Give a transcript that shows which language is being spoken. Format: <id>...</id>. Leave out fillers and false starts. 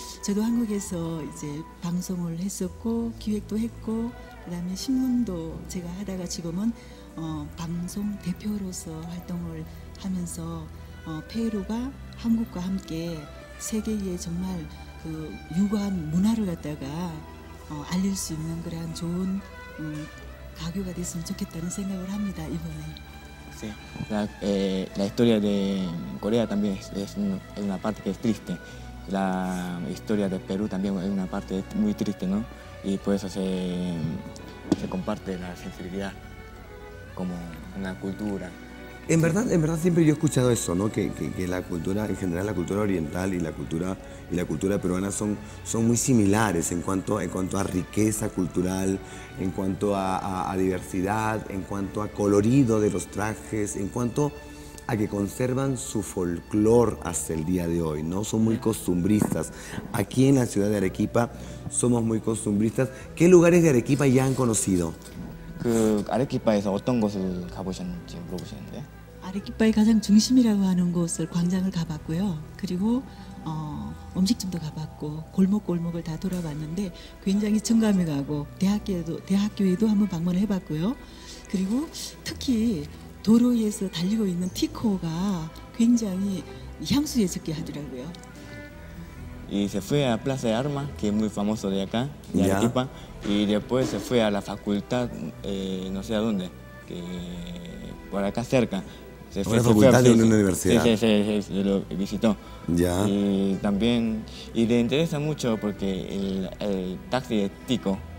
<ko>저도 한국에서 이제 방송을 했었고 기획도 했고 그다음에 신문도 제가 하다가 지금은 방송 대표로서 활동을 하면서 페루가 한국과 함께 세계에 정말 그 유구한 문화를 갖다가 알릴 수 있는 그런 좋은 가교가 됐으면 좋겠다는 생각을 합니다 이번에.</ko> <es>Sí, la historia de Corea también es una parte que es triste. La historia de Perú también es una parte muy triste, ¿no? Y por eso se comparte la sensibilidad como una cultura. En verdad siempre yo he escuchado eso, ¿no? Que la cultura, en general la cultura oriental y la cultura peruana son muy similares en cuanto a riqueza cultural, en cuanto a diversidad, en cuanto a colorido de los trajes, en cuanto a que conservan su folclor hasta el día de hoy, ¿no? Son muy costumbristas. Aquí en la ciudad de Arequipa somos muy costumbristas. ¿Qué lugares de Arequipa ya han conocido?</es> <ko>¿Arequipa에서 어떤 곳을 가보셨는지 물어보시는데? 아레키파의 가장 중심이라고 하는 곳을 광장을 가봤고요. 그리고 음식점도 가봤고 골목골목을 다 돌아봤는데 굉장히 청감이 가고 대학교에도 한번 방문을 해봤고요. 그리고 특히 도로 위에서 달리고 있는 티코가 굉장히 향수 예쁘게 하더라고요.</ko> <es>Y se fue a Plaza de Armas, que es muy famoso de acá, de Arequipa, y después se fue a la facultad, no sé a dónde, que por acá cerca. Se fue a la facultad de una universidad. Sí, lo visitó. Ya. Y también, y le interesa mucho porque el taxi es tico.</es>